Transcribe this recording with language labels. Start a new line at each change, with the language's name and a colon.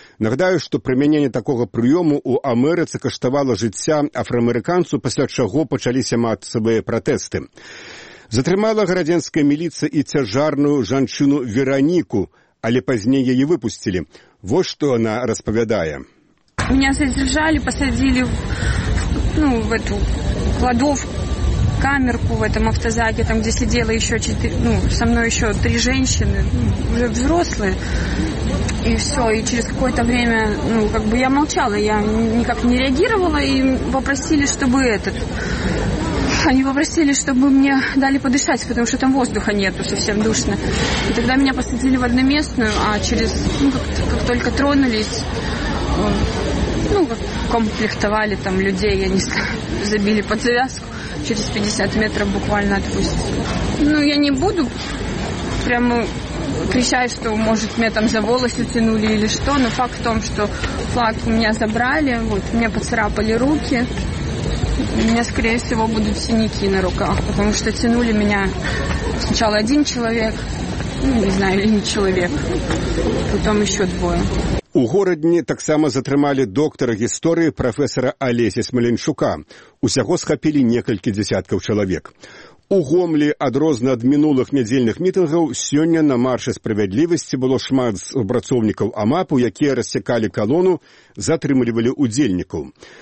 Belarusian: Нагадаю, што прымяненне такога прыёму ў Амерыцы каштавала жыцця афраамерыканцу, пасля чаго пачаліся масавыя пратэсты. Затрымала гарадзенская міліцыя і цяжарную жанчыну Вераніку, але пазней яе выпусцілі. Вось што яна распавядае.
Russian: Меня задержалі, пасадзілі в эту кладовку. Камерку в этом автозаке, там, где сидела еще со мной еще три женщины, уже взрослые, и все, и через какое-то время, я молчала, я никак не реагировала, и попросили, чтобы мне дали подышать, потому что там воздуха нету, совсем душно, и тогда меня посадили в одноместную, а через, как только тронулись, комплектовали там людей, я не знаю, забили под завязку. Через 50 метров буквально отпустили. Я не буду прямо кричать, что, может, меня там за волосы тянули или что. Но факт в том, что флаг у меня забрали, мне поцарапали руки. У меня, скорее всего, будут синяки на руках, потому что тянули меня сначала один человек, или не человек, потом еще двое.
Belarusian: У горадні таксама затрымалі доктара гісторыі прафесара Алеся Смаленчука. Усяго схапілі некалькі дзясяткаў чалавек. У Гомлі, адрозна ад мінулых нядзельных мітынгаў, сёння на маршы справядлівасці было шмат супрацоўнікаў АМАПу, якія рассякалі калону, затрымлівалі ўдзельнікаў.